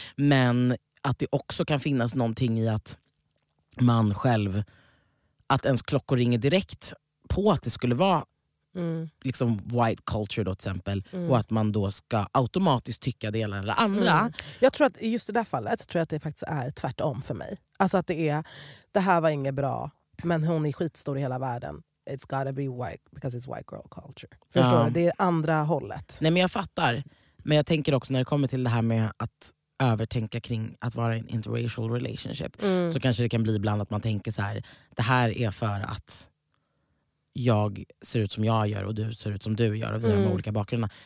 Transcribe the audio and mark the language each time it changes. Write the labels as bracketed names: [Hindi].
[Swedish] Men att det också kan finnas någonting i att man själv, att ens klockor ringer direkt på att det skulle vara liksom [English] white culture [Swedish] då, till exempel, och att man då ska automatiskt tycka det ena eller andra. Jag tror att i just det där fallet tror jag att det faktiskt är tvärtom för mig. Alltså att det är, det här var inget bra, men hon är skitstor i hela världen. [English] It's gotta be white because it's white girl culture. [Swedish] Förstår du? Det är andra hållet. Nej, men jag fattar. Men jag tänker också när det kommer till det här med att övertänka kring att vara en [English] interracial relationship, [Swedish] så kanske det kan bli ibland att man tänker så här, det här är för att jag ser ut som jag gör och du ser ut som du gör och vi har de olika bakgrunderna.